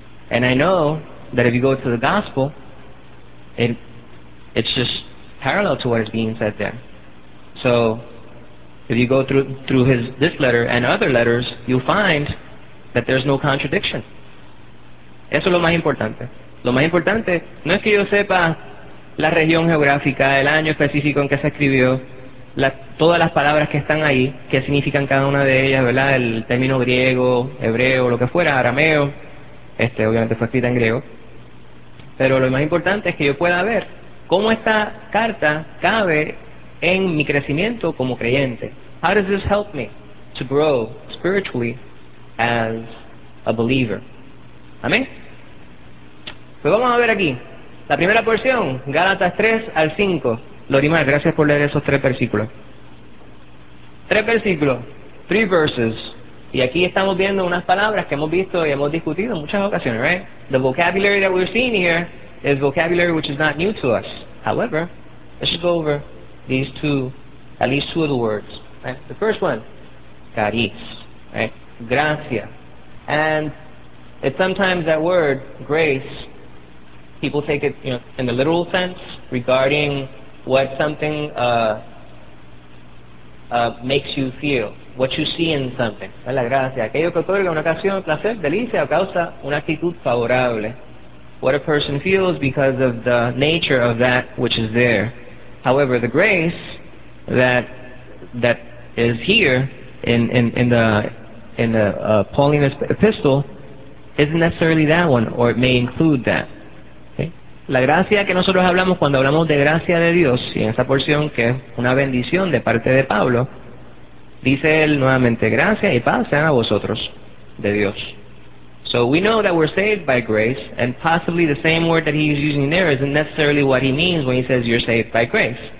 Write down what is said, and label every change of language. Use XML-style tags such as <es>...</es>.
<en>And I know that if you go to the gospel, it's just parallel to what is being said there. So If you go through his this letter and other letters, you find that there's no contradiction.</en> <es>Eso es lo más importante. Lo más importante no es que yo sepa la región geográfica, el año específico en que se escribió, todas las palabras que están ahí, qué significan cada una de ellas, ¿verdad? El término griego, hebreo, lo que fuera, arameo, obviamente fue escrita en griego. Pero lo más importante es que yo pueda ver cómo esta carta cabe en mi crecimiento como creyente.</es> <en>How does this help me to grow spiritually as a believer?</en> <es>Amén. Pues vamos a ver aquí, la primera porción, Gálatas 3 al 5. Lorimar, gracias por leer esos tres versículos. Tres versículos,</es> <en>three verses.</en> <es>Y aquí estamos viendo unas palabras que hemos visto y hemos discutido en muchas ocasiones, right?</es> <en>The vocabulary that we're seeing here is vocabulary which is not new to us. However, let's just go over these two, at least two of the words. Right? The first one, cariz, right? Gracia. And it's sometimes that word, grace, people take it, you know, in the literal sense regarding what something makes you feel, what you see in something.</en> <es>Es la gracia, aquello que otorga una ocasión, placer, delicia, o causa una actitud favorable.</es> <en>What a person feels because of the nature of that which is there. However, the grace that is here in the Pauline epistle isn't necessarily that one, or it may include that.</en> <es>La gracia que nosotros hablamos cuando hablamos de gracia de Dios, y en esa porción que es una bendición de parte de Pablo, dice él nuevamente, gracia y paz sean a vosotros de Dios.</es> <en>So we know that we're saved by grace, and possibly the same word that he's using there isn't necessarily what he means when he says you're saved by grace.</en>